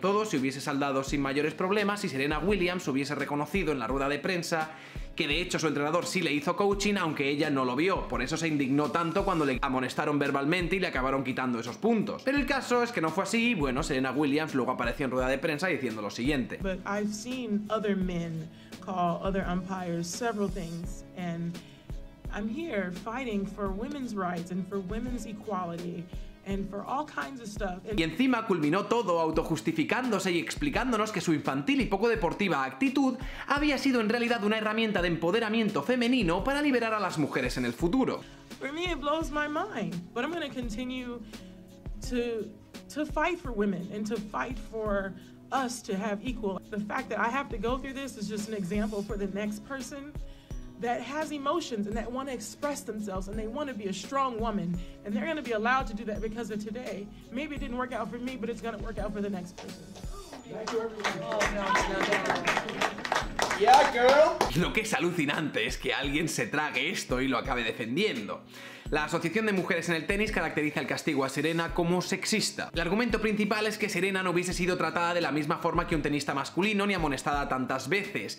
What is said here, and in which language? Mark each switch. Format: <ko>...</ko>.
<es>Todo se hubiese saldado sin mayores problemas si Serena Williams hubiese reconocido en la rueda de prensa que de hecho su entrenador sí le hizo coaching, aunque ella no lo vio. Por eso se indignó tanto cuando le amonestaron verbalmente y le acabaron quitando esos puntos. Pero el caso es que no fue así, y bueno, Serena Williams luego apareció en rueda de prensa diciendo lo siguiente.</es> <en>But I've seen other men call other umpires several things, and I'm here fighting for women's rights and for women's equality. And for all kinds of stuff.</en> <es>Y encima culminó todo autojustificándose y explicándonos que su infantil y poco deportiva actitud había sido en realidad una herramienta de empoderamiento femenino para liberar a las mujeres en el futuro.</es> <en>For me it blows my mind, but I'm going to continue to fight for women and to fight for us to have equal. The fact that I have to go through this is just an example for the next person that has emotions and that want to express themselves and they want to be a strong woman, and they're going to be allowed to do that because of today. Maybe it didn't work out for me, but it's going to work out for the next person.</en> <es>Lo que es alucinante es que alguien se trague esto y lo acabe defendiendo. La Asociación de Mujeres en el Tenis caracteriza el castigo a Serena como sexista. El argumento principal es que Serena no hubiese sido tratada de la misma forma que un tenista masculino ni amonestada tantas veces.</es>